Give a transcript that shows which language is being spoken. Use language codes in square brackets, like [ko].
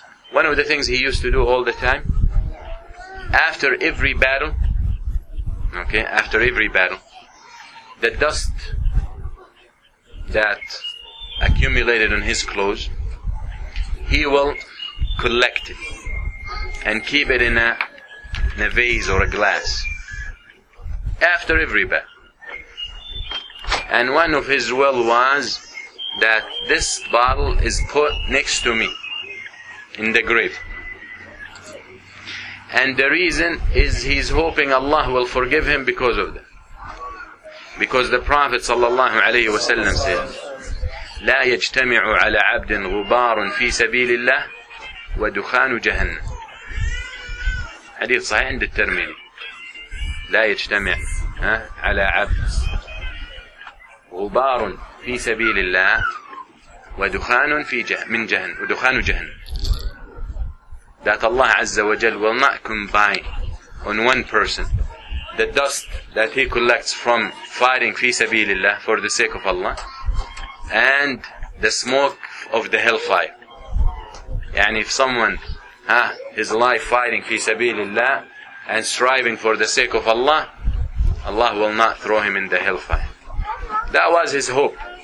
[en] One of the things he used to do all the time, after every battle, after every battle, the dust that accumulated on his clothes, he will collect it and keep it in a vase or a glass after every battle. And one of his will was that this bottle is put next to me in the grave. And the reason is he's hoping Allah will forgive him because of that. Because the Prophet sallallahu alayhi wa sallam said, [ar] لا يجتمع على عبد غبار في سبيل الله ودخان جهنم. حديث صحيح عند الترمذي. لا يجتمع على عبد غبار في سبيل الله ودخان في من جهنم ودخان جهنم. [en] That Allah Azza wa Jal will not combine on one person the dust that he collects from fighting fi sabilillah for the sake of Allah and the smoke of the hellfire. And if someone his life fighting fi sabilillah and striving for the sake of Allah, Allah will not throw him in the hellfire. That was his hope.